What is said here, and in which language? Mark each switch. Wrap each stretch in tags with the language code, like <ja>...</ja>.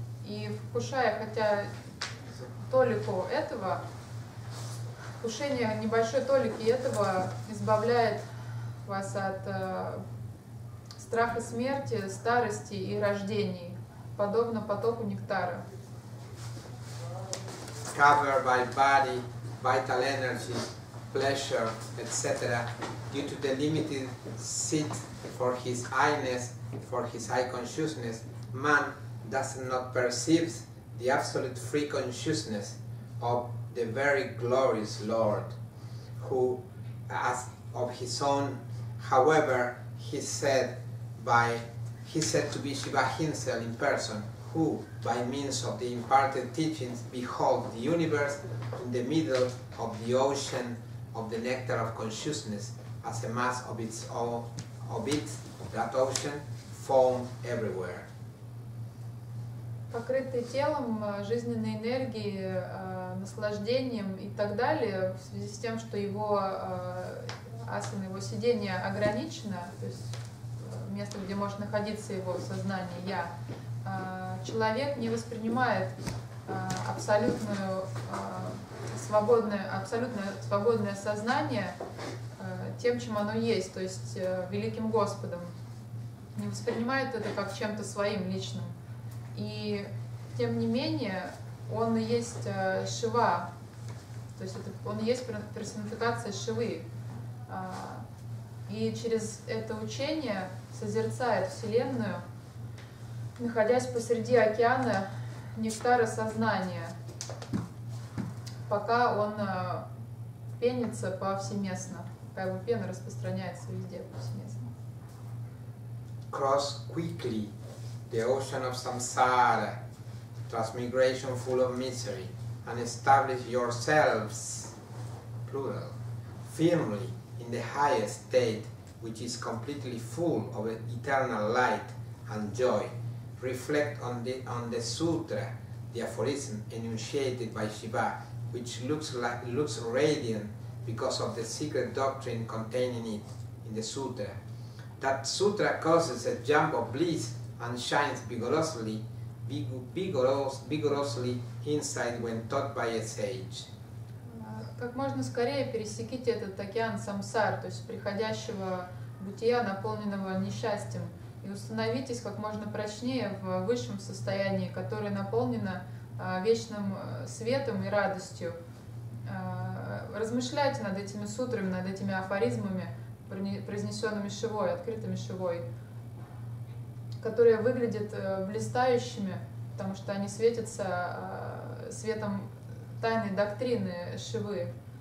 <ru>И вкушая хотя толику этого, вкушение небольшой толики этого избавляет вас от страха смерти, старости и рождений, подобно потоку нектара.</ru> <en>Covered by body, vital energy, pleasure, etc., due to the limited seat for his eyeness, for his eye consciousness, man does not perceive the absolute free consciousness of the very glorious Lord, who as of his own, however, he said to be Shiva himself in person, who, by means of the imparted teachings, behold the universe in the middle of the ocean of the nectar of consciousness, as a mass of its own, of it, that ocean, foam everywhere.</en> <ru>Покрытый телом, жизненной энергией, наслаждением и так далее, в связи с тем, что его асана, его сидение ограничено, то есть место, где может находиться его сознание, я, человек не воспринимает абсолютное сознание тем, чем оно есть, то есть великим Господом, не воспринимает это как чем-то своим личным. И тем не менее, он и есть Шива, то есть это, он и есть персонификация Шивы. И через это учение созерцает Вселенную, находясь посреди океана нектара сознания, пока он пенится повсеместно, пока его пена распространяется везде повсеместно.</ru> <en>Cross quickly the ocean of samsara, transmigration full of misery, and establish yourselves, plural, firmly in the highest state, which is completely full of eternal light and joy. Reflect on the sutra, the aphorism enunciated by Shiva, which looks radiant because of the secret doctrine containing it in the sutra. That sutra causes a jump of bliss and shines vigorously inside when taught by a sage.</en> <ru>Как можно скорее пересеките этот океан самсар, то есть приходящего бытия, наполненного несчастьем, и установитесь как можно прочнее в высшем состоянии, которое наполнено вечным светом и радостью. Размышляйте над этими сутрами, над этими афоризмами, произнесенными Шивой, открытыми Шивой, которые выглядят блистающими, потому что они светятся светом тайной доктрины Шивы.</ru>